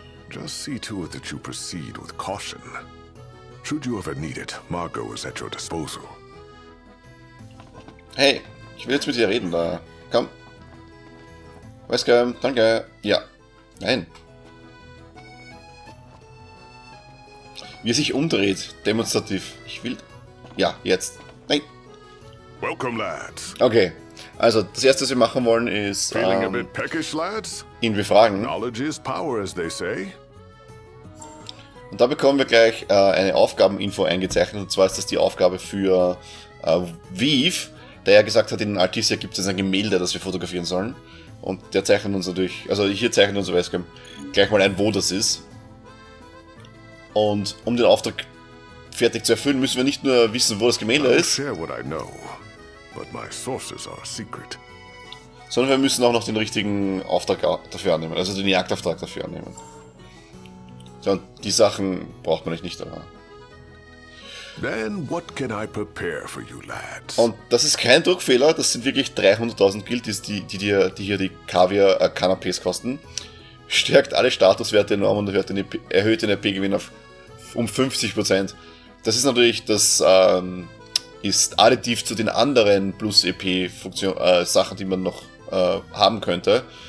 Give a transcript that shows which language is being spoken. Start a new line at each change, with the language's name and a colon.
English: Just see to it that you proceed with caution. Should you ever need it, Margo is at your disposal.
German: Hey, ich will jetzt mit dir reden, da. Komm. Wesker, danke. Ja. Nein. Wie er sich umdreht, demonstrativ. Ich will... Ja, jetzt. Nein.
English: Welcome, lads.
German: Okay. Also, das Erste, was wir machen wollen, ist...
English: Feeling a bit peckish, lads?
German: Ihn befragen.
English: Knowledge is power, as they say.
German: Und da bekommen wir gleich eine Aufgabeninfo eingezeichnet. Und zwar ist das die Aufgabe für Weave, der ja gesagt hat, in Altissia gibt es ein Gemälde, das wir fotografieren sollen. Und der zeichnet uns natürlich, also hier zeichnet uns Westcam gleich mal ein, wo das ist. Und um den Auftrag fertig zu erfüllen, müssen wir nicht nur wissen, wo das Gemälde ist, sondern wir müssen auch noch den richtigen Auftrag dafür annehmen, also den Jagdauftrag dafür annehmen. Und die Sachen braucht man nicht daran.
English: Then what can I prepare for you, lads?
German: Und das ist kein Druckfehler, das sind wirklich 300.000 Gilt, die hier die Kaviar-Canapés kosten. Stärkt alle Statuswerte enorm und erhöht den RP-Gewinn um 50%. Das ist natürlich, das ist additiv zu den anderen Plus-EP-Sachen, die man noch haben könnte.